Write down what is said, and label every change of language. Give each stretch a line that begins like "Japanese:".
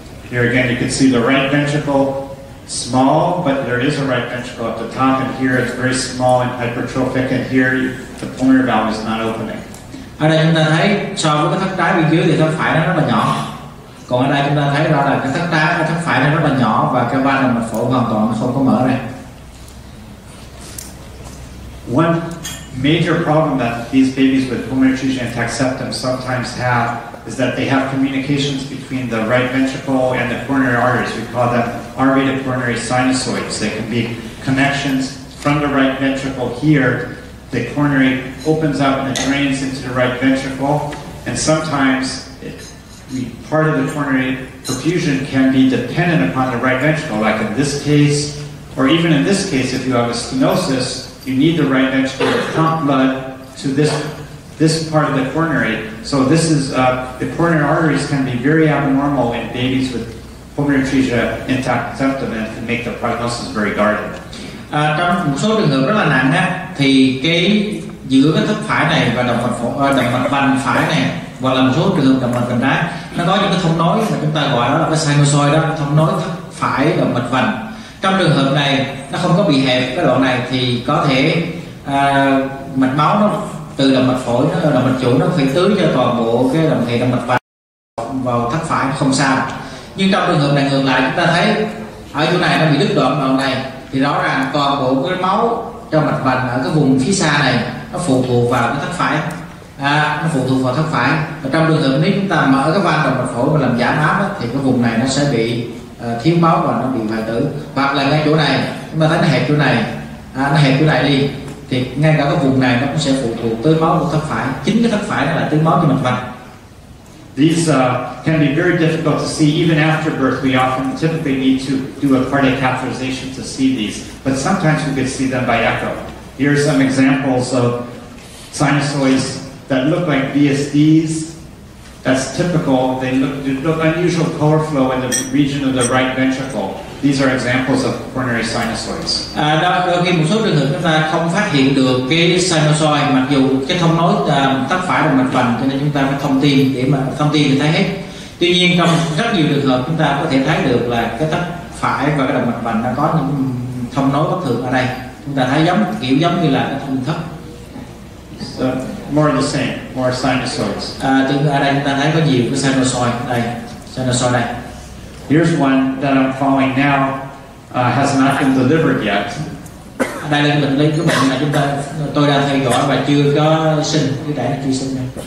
English: Here again you can see the right ventricle small, but there is a right ventricle at the top, and here it's very small and hypertrophic, and here the pulmonary valve is not opening.
Vietnamese: Ở đây chúng ta thấy so với cái thất trái bên dưới thì thất phải nó rất là nhỏ. Còn ở đây chúng ta thấy rõ là cái thất trái, cái thất phải nó rất là nhỏ và cái van động mạch phổi hoàn toàn nó không có mở này.
English: One major problem that these babies with pulmonary atresia and tract septum sometimes have is that they have communications between the right ventricle and the coronary arteries. We call them R-rated coronary sinusoids. They can be connections from the right ventricle here. The coronary opens up and it drains into the right ventricle, and sometimes part of the coronary perfusion can be dependent upon the right ventricle, like in this case, or even in this case, if you have a stenosis, you need the right ventricle to pump blood to this part of the coronary. So this is the coronary arteries can be very abnormal in babies with pulmonary atresia and tract septum, and can make the prognosis very guarded.
Vietnamese: Trong một số trường hợp rất là nặng á, thì cái giữa cái thất phải này và động mạch van phải này. Hoặc là một số trường hợp động mạch vành trái, nó có những cái thông nối mà chúng ta gọi đó là cái sinusoid đó, thông nối phải động mạch vành. Trong trường hợp này nó không có bị hẹp cái đoạn này thì có thể mạch máu nó từ động mạch phổi, nó động mạch chủ, nó phải tưới cho toàn bộ cái hệ động mạch vành vào thất phải không sao. Nhưng trong trường hợp này ngược lại, chúng ta thấy ở chỗ này nó bị đứt đoạn đoạn này thì rõ ràng toàn bộ cái máu cho mạch vành ở cái vùng phía xa này nó phụ thuộc vào cái thất phải. Nó phụ thuộc vào thất phải. Và trong trường hợp nếu chúng ta mở cái van động mạch phổi và làm giảm áp thì cái vùng này nó sẽ bị thiếu máu và nó bị hoại tử. Hoặc là ngay chỗ này, chúng ta thấy nó hẹp chỗ này đi, thì ngay cả cái vùng này nó cũng sẽ phụ thuộc tới máu của thất phải. Chính cái thất phải là tưới máu cho mạch vành.
English: These can be very difficult to see even after birth. We often typically need to do a cardiac catheterization to see these, but sometimes we can see them by echo. Here are some examples of sinusoids that look like VSDs. That's typical. They look unusual color flow in the region of the right ventricle. These are examples of coronary sinusoids.
Vietnamese: Đôi khi một số trường hợp chúng ta không phát hiện được cái sinusoid, mặc dù cái thông nối tắc phải động mạch vành, cho nên chúng ta phải thông tin để mà thông tin thì thấy hết. Tuy nhiên trong rất nhiều trường hợp chúng ta có thể thấy được là cái tắc phải và cái động mạch vành nó có những thông nối bất thường ở đây. Chúng ta thấy giống như là cái thông thất.
English: So, more of the same, more sinusoids.
Vietnamese: Ở đây chúng ta thấy có nhiều cái sinusoid này.
English: Here's one that I'm following now, has not been delivered yet.
Vietnamese: Đây là bệnh lý của bệnh mà tôi đang theo dõi và chưa có sinh, cái trẻ nó chưa sinh này.